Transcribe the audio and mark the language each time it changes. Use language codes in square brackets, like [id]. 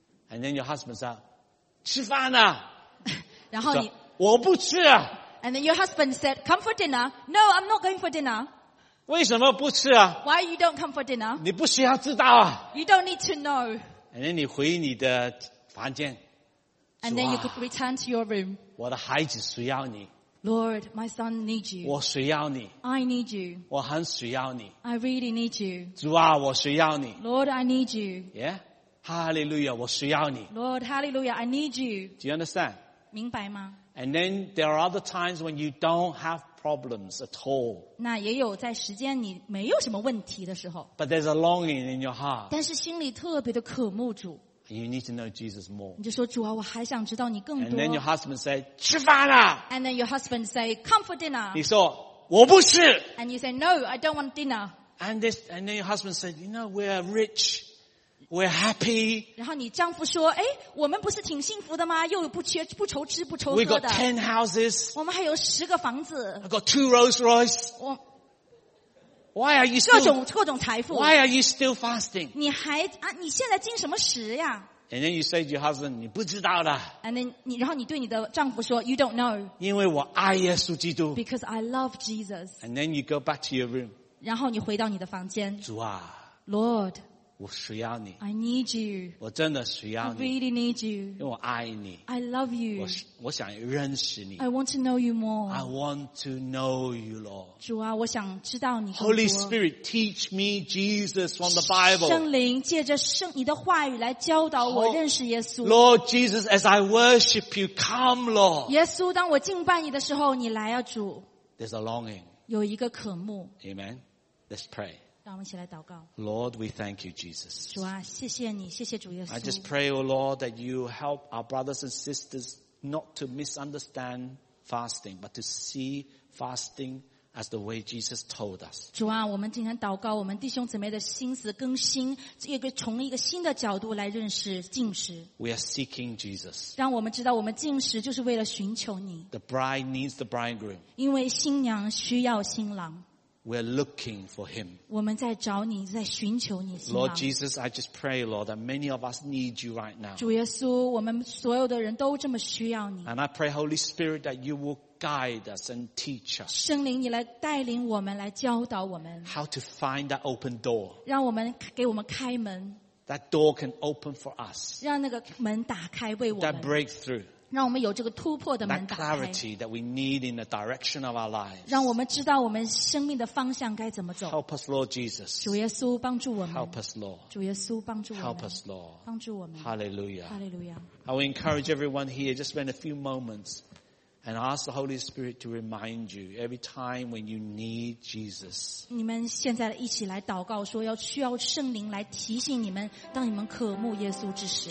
[en] And then your husband says, [zh] 吃饭啊。然后你 so, 我不吃啊。 [en] And then your husband said, come for dinner. No, I'm not going for dinner. [zh] 为什么不吃啊 [en] ?Why you don't come for dinner? [zh] 你不需要知道啊。 [en] You don't need to know. And then [zh] 你回你的房间。 [en] And then you could return to your room. [zh] 我的孩子需要你。 [en] Lord, my son needs you. [zh] 我需要你。 [en] I need you. [zh] 我很需要你。 [en] I really need you. [zh] 主啊，我需要你。 [en] Lord, I need you. Yeah? [zh] Hallelujah, 我需要你。 [en] Lord, hallelujah, I need you. Do you understand? [zh] 明白吗？ [en] And then there are other times when you don't have problems at all. [zh] 那也有在时间你没有什么问题的时候。 [en] But there's a longing in your heart. [zh] 但是心里特别的渴慕主。 [en] You need to know Jesus more. [zh] 你就说主啊，我还想知道你更多。 [en] And then your husband said, [zh] 吃饭了。 [en] And then your husband said, come for dinner. [zh] 你说我不吃。 [en] And you said, no, I don't want dinner. And then your husband said, you know, we're rich, we're happy. [zh] 然后你丈夫说，哎，我们不是挺幸福的吗？又不缺，不愁吃，不愁喝的。 [en] We got 10 houses. [zh] 我们还有十个房子。 [en] I got 2 Rolls Royce. Why are you still, [zh] 各种财富 [en] Why are you still fasting? [zh] 你还啊？你现在进什么食呀 [en] ？And then you say to your husband, [zh] 你不知道的。 [en] And then [zh] 你然后你对你的丈夫说 ， [en] You don't know. [zh] 因为我爱耶稣基督。 [en] Because I love Jesus. And then you go back to your room. [zh] 然后你回到你的房间。主啊 [en] ，Lord, [zh] 我需要你。 [en] I need you. [zh] 我真的需要你。 [en] I really need you. [zh] 因为我爱你。 [en] I love you. [zh] 我想认识你。 [en] I want to know you more. I want to know you, Lord. [zh] 主啊，我想知道你更多。 [en] Holy Spirit, teach me Jesus from the Bible. [zh] 圣灵借着圣你的话语来教导我认识耶稣。 [en] Lord Jesus, as I worship you, come, Lord. [zh] 耶稣，当我敬拜你的时候，你来啊，主。 [en] There's a longing. [zh] 有一个渴慕。 [en] Amen. Let's pray. [zh] 让我们一起来祷告。 [en] Lord, we thank you, Jesus. [zh] 主啊，谢谢你，谢谢主耶稣。 [en] I just pray, O Lord, that you help our brothers and sisters not to misunderstand fasting, but to see fasting as the way Jesus told us. [zh] 主啊，我们今天祷告，我们弟兄姊妹的心思更新，一个从一个新的角度来认识禁食。 [en] We are seeking Jesus. [zh] 让我们知道，我们禁食就是为了寻求你。 [en] The bride needs the bridegroom. [zh] 因为新娘需要新郎。 [en] We're looking for him. [zh] 我们在找你，在寻求你。 [en] Lord Jesus, I just pray, Lord, that many of us need you right now. [zh] 主耶稣，我们所有的人都这么需要你。 [en] And I pray, Holy Spirit, that you will guide us and teach us. [zh] 圣灵，你来带领我们，来教导我们。 [en] How to find that open door? [zh] 让我们给我们开门。 [en] That door can open for us. [zh] 让那个门打开为我们。 [en] That breakthrough. [zh] 让我们有这个突破的门打开。 [en] That clarity that we need in the direction of our lives. [zh] 让我们知道我们生命的方向该怎么走。 [en] Help us, Lord Jesus. [zh] 主耶稣帮助我们。 [en] Help us, Lord. [zh] 主耶稣帮助我们。 [en] Help us, Lord. [zh] 帮助我们。 [en] Hallelujah. Hallelujah. I will encourage everyone here. Just spend a few moments and ask the Holy Spirit to remind you every time when you need Jesus. [zh] 你们现在一起来祷告，说要需要圣灵来提醒你们，当你们渴慕耶稣之时。